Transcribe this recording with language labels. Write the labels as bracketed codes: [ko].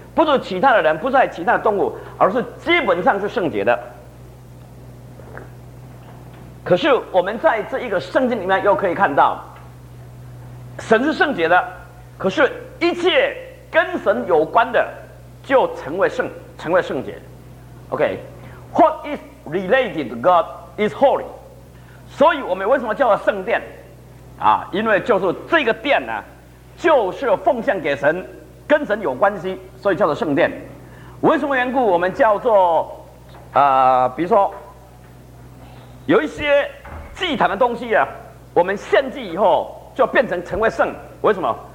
[zh] 不是其他的人，不是其他的动物，而是基本上是圣洁的。可是我们在这一个圣经里面又可以看到，神是圣洁的，可是一切跟神有关的就成为圣洁。 [en] OK， what is related to God is holy。 [zh] 所以我们为什么叫做圣殿啊？因为就是这个殿呢，就是奉献给神，跟神有关系，所以叫做圣殿。为什么缘故我们叫做比如说有一些祭坛的东西啊，我们献祭以后就成为圣。为什么？